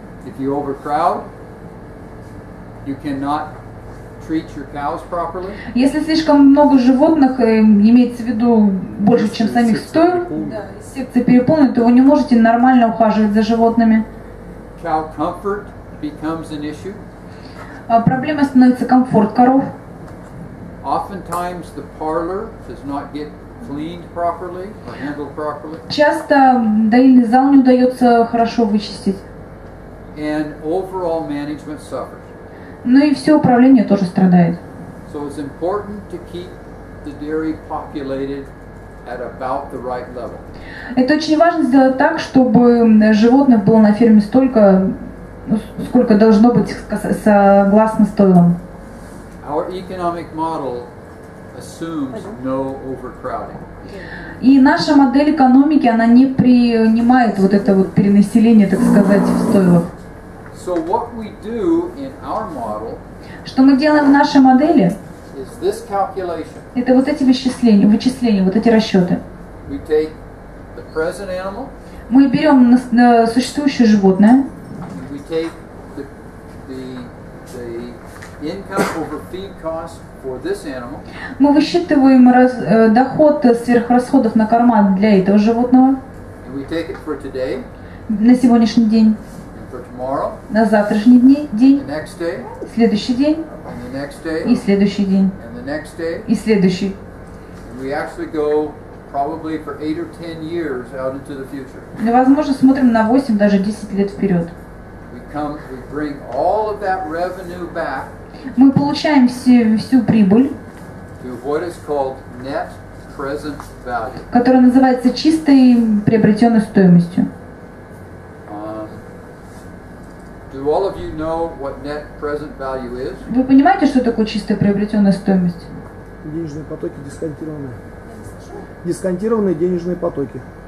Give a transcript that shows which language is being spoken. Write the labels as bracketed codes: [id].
[en] If you overcrowd, you cannot treat your cows properly. [ru] Если слишком много животных, имеется в виду больше, чем самих стой, секция переполнена, то вы не можете нормально ухаживать за животными. [en] Cow comfort becomes an issue. [ru] Проблема становится комфорт коров. [en] Oftentimes the parlor does not get cleaned properly or handled properly. [ru] Часто доильный зал не удается хорошо вычистить. [en] And overall management suffers. [ru] Ну и все управление тоже страдает. [en] So it's important to keep the dairy populated at about the right level. [ru] Это очень важно сделать так, чтобы животных было на ферме столько, сколько должно быть согласно стойлам. [en] Our economic model assumes no overcrowding. [ru] И наша модель экономики, она не принимает вот это вот перенаселение, так сказать, в стойлах. [en] So what we do in our model? [ru] Что мы делаем в нашей модели? [en] Is this calculation? [ru] Это вот эти вычисления, вот эти расчеты. [en] We take the present animal. [ru] Мы берем существующее животное. [en] We take the income over feed cost for this animal. [ru] Мы высчитываем доход сверхрасходов на корма для этого животного. [en] And we take it for today. [ru] На сегодняшний день. [en] And for tomorrow. [ru] На завтрашний день. [en] The next day. [ru] Следующий день. [en] And the next day. [ru] И следующий день. [en] And the next day. [ru] И следующий. [en] And we actually go probably for 8 or 10 years out into the future. [ru] Мы, возможно, смотрим на 8, даже 10 лет вперед. [en] We bring all of that revenue back. [ru] Мы получаем всю прибыль, [en] to what is called net present value, [ru] которая называется чистой приобретенной стоимостью. [en] Do all of you know what net present value is? [ru] Вы понимаете, что такое чистая приобретенная стоимость? Денежные потоки дисконтированные. Дисконтированные денежные потоки.